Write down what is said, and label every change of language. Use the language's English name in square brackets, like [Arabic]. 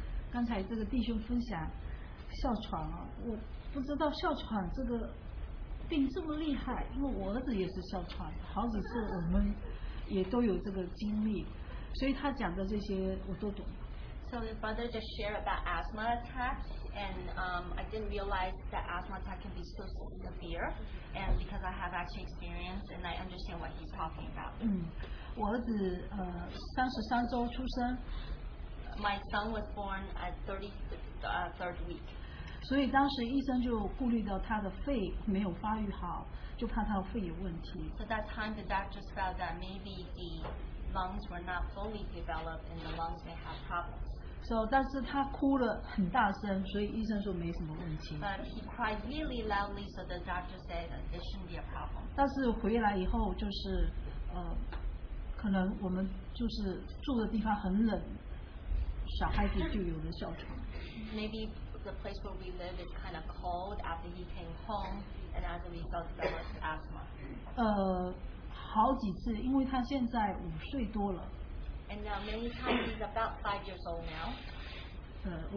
[Chinese] 刚才这个弟兄分享哮喘啊，我不知道哮喘这个病这么厉害，因为我儿子也是哮喘，好几次我们也都有这个经历，所以他讲的这些我都懂。 [English] So the brother just shared about asthma attack, and I didn't realize that asthma attack can be so severe, and because I have actually experienced, and I understand what he's talking about. [Chinese] 嗯，我儿子33周出生。 [English] My son was born at 33rd week. [Chinese] 所以当时医生就顾虑到他的肺没有发育好，就怕他的肺有问题。 [English] So that time the doctors felt that maybe the lungs were not fully developed and the lungs may have problems. So, [Chinese] 但是他哭了很大声，所以医生说没什么问题。 [English] But he cried really loudly, so the doctor said that it shouldn't be a problem. [Chinese] 但是回来以后就是，可能我们就是住的地方很冷，小孩子就有了哮喘。 [English] Maybe the place where we live is kind of cold after he came home, and as a result, developed asthma. [Chinese] 好几次，因为他现在5岁多了。 [English] And now many times he's about 5 years old now.